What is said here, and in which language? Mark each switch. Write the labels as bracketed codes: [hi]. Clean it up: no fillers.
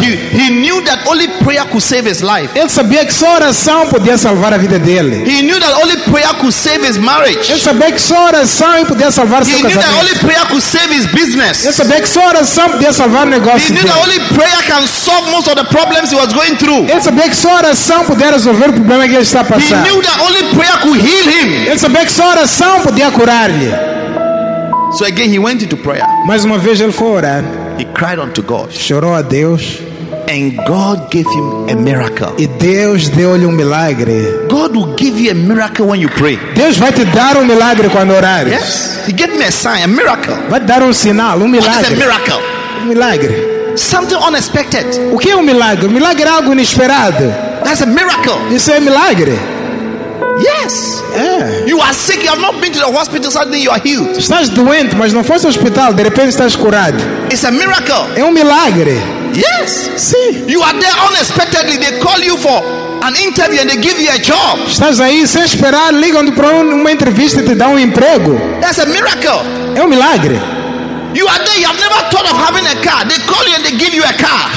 [en] He knew that only prayer could save his life. [pt] Ele sabia que só oração podia salvar a vida dele. [en] He knew that only prayer could save his marriage. [pt] Ele sabia que só oração podia salvar seu casamento. [en] He knew that only prayer could save his business. [pt] Ele sabia que só oração podia salvar negócio. [en] He knew that only prayer can solve most of the problems he was going through. [pt] Ele sabia que só oração podia resolver o problema que ele estava passando. [en] He knew that only prayer could heal him. [pt] Ele sabia que só oração podia curar-lhe. [en] So again he went into prayer. [pt] Mais uma vez ele foi orar. [en] He cried unto God. [pt] Chorou a Deus. [en] And God gave him a miracle. [pt] E Deus deu-lhe milagre. [en] God will give you a miracle when you pray. [pt] Deus vai te dar milagre quando orares. [en] Yes. He gave me a sign, a miracle. [pt] Vai dar sinal, milagre. [en] What is a miracle? [pt] Milagre. [en] Something unexpected. [pt] O que milagre? Milagre é algo inesperado. [en] That's a miracle. [pt] Isso é milagre. [en] Yes. Yeah. You are sick. You have not been to the hospital. Suddenly you are healed. [pt] Estás doente, mas não foste ao hospital. De repente estás curado. [en] It's a miracle. [pt] É milagre. [en] Yes. [pt] Sim. [en] You are there unexpectedly. They call you for an interview and they give you a job. [pt] Estás aí sem esperar. Ligam-te para uma entrevista e te dão emprego. [en] That's a miracle. [pt] É milagre. [en] You are there. You have never thought of having a car. They call you and they give you a car.